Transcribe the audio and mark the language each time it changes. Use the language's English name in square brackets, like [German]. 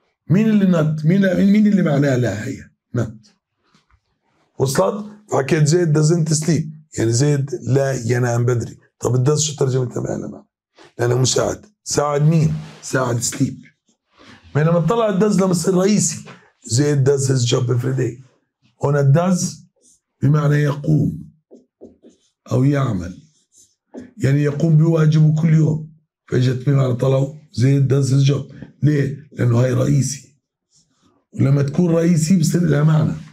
[Arabic] مين اللي نت؟ مين اللي معناها لا هي؟ نت. وصلت؟ فحكيت زيد [English] doesn't sleep. [Arabic] يعني زيد لا ينام بدري. طب الدز شو ترجمتها ما لها معنى؟ لأنه مساعد. ساعد مين؟ ساعد سليب. بينما طلع الدز لما يصير رئيسي. [English] زيد does his job every day. [Arabic] هنا الدز بمعنى يقوم أو يعمل. يعني يقوم بواجبه كل يوم. فجت بمعنى طلعوا زيد [English] does his job. [Arabic] ليه؟ لأنه هاي رئيسي. ولما تكون رئيسي بصير لها معنى.